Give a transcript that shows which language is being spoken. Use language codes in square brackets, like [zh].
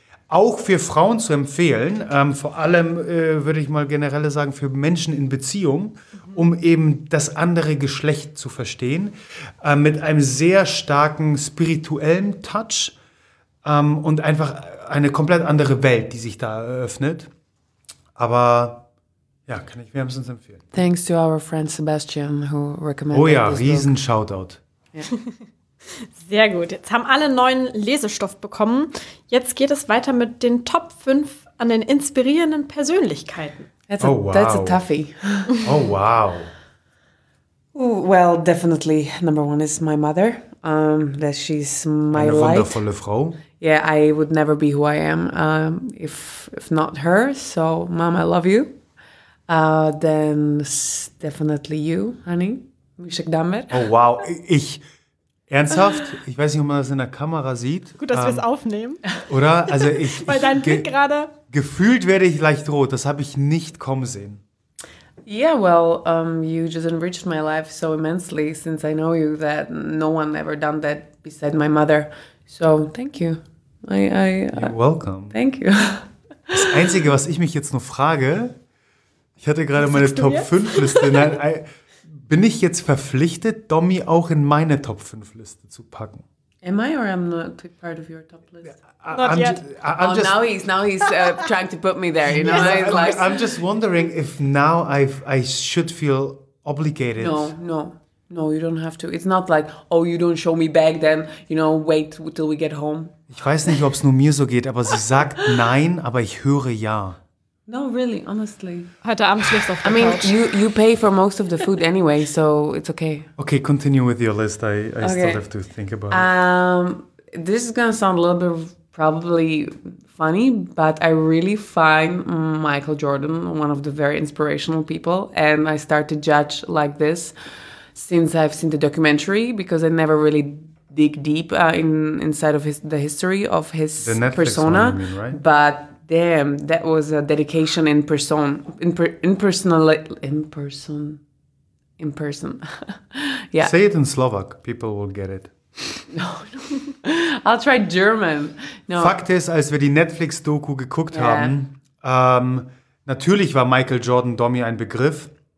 [de] Auch für Frauen zu empfehlen, vor allem würde ich mal generell sagen, für Menschen in Beziehung, um eben das andere Geschlecht zu verstehen, mit einem sehr starken spirituellen Touch und einfach eine komplett andere Welt, die sich da eröffnet. Aber ja, kann ich wärmstens empfehlen. [en] Thanks to our friend Sebastian, who recommended book. [de] Oh ja, riesen Shoutout. [en] Yeah. [de] Sehr gut. Jetzt haben alle neuen Lesestoff bekommen. Jetzt geht es weiter mit den Top 5 an den inspirierenden Persönlichkeiten. [en] That's a toughie. Oh, wow. Well, definitely number one is my mother. That she's my [de] eine [en] light. [de] Eine wundervolle Frau. [en] Yeah, I would never be who I am if not her. So, Mom, I love you. Then definitely you, honey. Mishek Damer. [de] Oh, wow. Ich... Ernsthaft? Ich weiß nicht, ob man das in der Kamera sieht. Gut, dass wir es aufnehmen. Oder? Also ich weil dein Blick gerade... Gefühlt werde ich leicht rot. Das habe ich nicht kommen sehen. [en] Yeah, well, you just enriched my life so immensely since I know you that no one ever done that beside my mother. So, thank you. You're welcome. Thank you. [de] Das Einzige, was ich mich jetzt nur frage, ich hatte gerade meine Top-5-Liste. Bin ich jetzt verpflichtet, Domi auch in meine Top-5-Liste zu packen? [en] Am I or am not part of your top list? Not yet. Now he's trying to put me there. You know, yeah, like, I'm just wondering if now I should feel obligated. No, you don't have to. It's not like, oh, you don't show me back, then, you know, wait till we get home. [de] Ich weiß nicht, ob es nur mir so geht, aber sie sagt nein, aber ich höre ja. [en] No, really, honestly. [de] Heute Abend schläfst du auf der [en] Couch. I mean, you pay for most of the food anyway, so it's okay. Okay, continue with your list. I still have to think about it. This is going to sound a little bit probably funny, but I really find Michael Jordan one of the very inspirational people, and I start to judge like this since I've seen the documentary, because I never really dig deep inside of the history of his the Netflix persona. One, you mean, right? But... Damn, that was a dedication in person, in person. Yeah. Say it in Slovak, people will get it. No, I'll try German. No. [de] Fakt ist, als wir die Netflix-Doku geguckt haben, natürlich war Michael Jordan Domi ein Begriff.